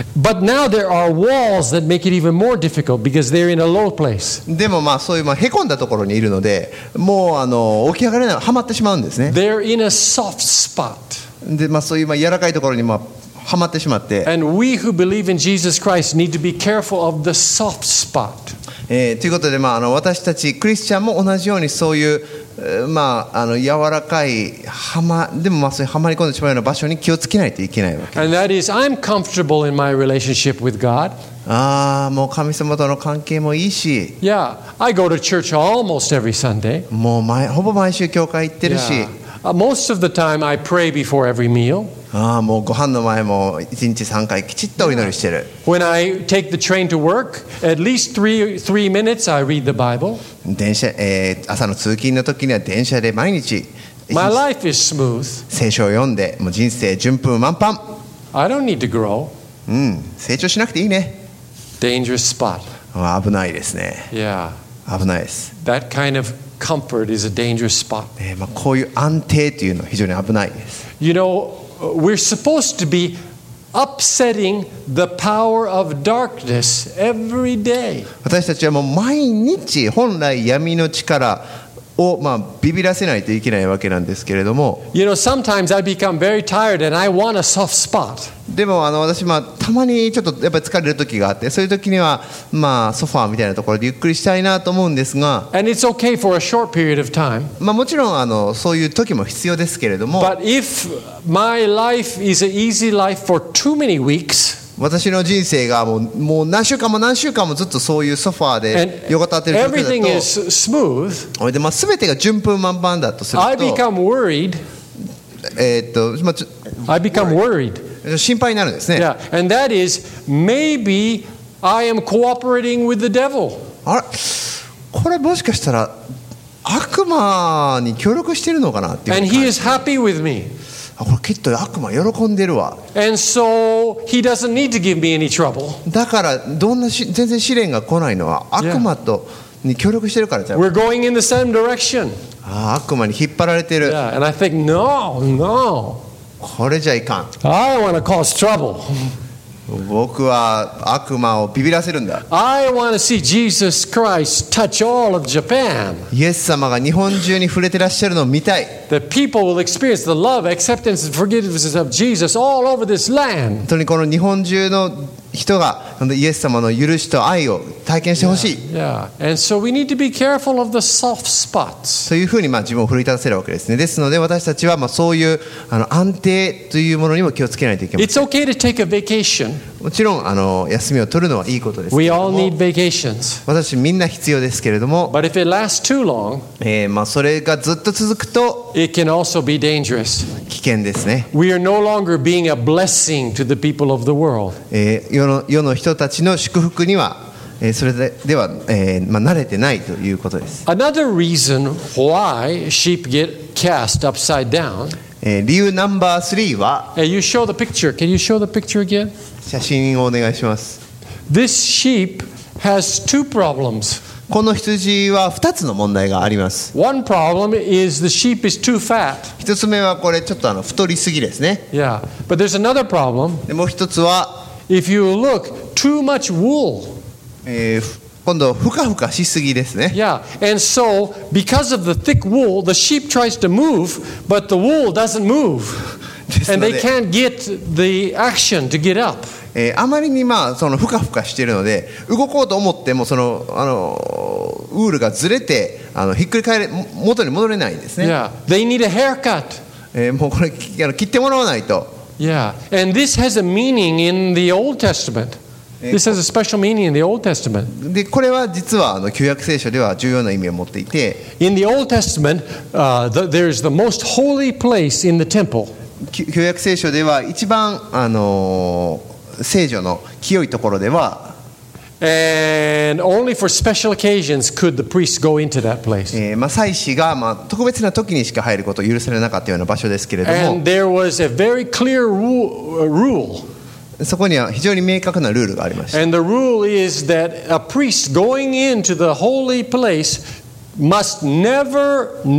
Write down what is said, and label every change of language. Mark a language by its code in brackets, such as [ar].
[en] But now there are walls that make it even more difficult because they're in a low place. [ja] でもまあそういうまあへこんだところにいるので、もうあの起き上がれない、はまってしまうんですね。 [en] They're in a soft spot. [ja] でまあそういうまあ柔らかいところにまあはまってしまって。 [en] And we who believe in Jesus Christ need to be careful of the soft spot. [ja] ということでまああの私たちクリスチャンも同じようにそういうまあ、あの柔らかい、はま、でもまあそういうはまり込んでしまうような場所に気をつけないといけないわけです。 [en] And that is, I'm comfortable in my relationship with God. [ja] ああ、もう神様との関係もいいし。 [en] Yeah, I go to church almost every Sunday. [ja] もう毎、ほぼ毎週教会行ってるし。 [en] Yeah. Most of the time I pray before every meal. [ja] ああ、もうご飯の前も1日3回きちっとお祈りしてる。 [en] Yeah. When I take the train to work, at least three minutes I read the Bible. [ja] 電車、朝の通勤の時には電車で毎日、 [en] My life is smooth. [ja] 聖書を読んで、もう人生順風満帆。 [en] I don't need to grow. [ja] うん、成長しなくていいね。 [en] Dangerous spot. [ja] 危ないですね。 [en] Yeah. [ja] 危ないです。 [en] That kind of comfort is a dangerous spot. [ja] まあ、こういう安定というのは非常に危ないです。 [en] You know, we're supposed to be upsetting the power of darkness every day. [ja] 私たちはもう毎日本来闇の力をまあビビらせないといけないわけなんですけれども。 [en] You know, sometimes I become very tired and I want a soft spot. [ja] でもあの私まあたまにちょっとやっぱり疲れる時があって、そういう時にはまあソファーみたいなところでゆっくりしたいなと思うんですが。 [en] And it's okay for a short period of time. [ja] まあもちろんあのそういう時も必要ですけれども。 [en] But if my life is an easy life for too many weeks. [ja] 私の人生がもう何週間も何週間もずっとそういうソファーで横たってる状況だと、でまあ全てが順風満帆だとすると、 [en] I become worried. I become worried. [ja] 心配になるんですね。 [en] Yeah, and that is maybe I am cooperating with the devil. [ja] あれ、これもしかしたら悪魔に協力してるのかなっていう。 [en] And he is happy with me. [ja] これきっと悪魔喜んでるわ。 [en] And so he doesn't need to give me any trouble. [ja] だからどんな全然試練が来ないのは悪魔とに協力してるからじゃん。 [en] We're going in the same direction. [ja] ああ悪魔に引っ張られてる。 [en] Yeah, and I think no, no. [ja] これじゃいかん。 [en] I want to cause trouble. [ja] 僕は悪魔をビビらせるんだ。 [en] I want to see Jesus Christ touch all of Japan. [ja] イエス様が日本中に触れてらっしゃるのを見たい。 [en] The people will experience the love, acceptance, and forgiveness of Jesus all over this land. [ja] 本当にこの日本中の人がイエス様の許しと愛を体験してほしい。 [en] Yeah, yeah. And so we need to be careful of the soft spots. [ja] というふうにまあ自分を奮い立たせるわけですね。ですので私たちはまあそういうあの安定というものにも気をつけないといけません。 [en] It's okay to take a vacation. [ja] もちろんあの休みを取るのはいいことですけれども。 [en] We all need vacations. [ja] 私みんな必要ですけれども。 [en] But if it lasts too long, [ja] まあそれがずっと続くと、 [en] it can also be dangerous. [ja] 危険ですね。 [en] We are no longer being a blessing to the people of the world. [ja] 世の人たちの祝福にはそれでは慣れてないということです。 [en] Another reason why sheep get cast upside down. [ja] 理由ナンバー3は。 [en] You show the picture. Can you show the picture again? [ja] 写真をお願いします。 [en] This sheep has two problems. [ja] この羊は2つの問題があります。 [en] One problem is the sheep is too fat. [ja] 一つ目はこれちょっとあの太りすぎですね。 [en] Yeah, but there's another problem. [ja] もう一つは。 [en] If you look, too much wool. [ja] 今度ふかふかしすぎですね。 [en] Yeah, and so because of the thick wool, the sheep tries to move, but the wool doesn't move, and they can't get the action to get up. [ja] あまりにまあそのふかふかしているので動こうと思ってもそのあのウールがずれてあのひっくり返れ元に戻れないんですね。 [en] Yeah, they need a haircut. [ja] もうこれあの切ってもらわないと。 [en] Yeah, and this has a meaning in the Old Testament. This has a special meaning in the Old Testament. [ja] で、これは実はあの旧約聖書では重要な意味を持っていて。 [en] In the Old Testament, there is the most holy place in the temple. [ja] 旧約聖書では一番あの聖所の清いところでは。 [en] And only for special occasions could the priest go into that place. [ja] まあ祭司がまあ特別な時にしか入ることを許されなかったような場所ですけれども。 [en] And there was a very clear rule. [ja] そこには非常に明確なルールがありました。 [en] And the rule is that a priest going into the holy place must never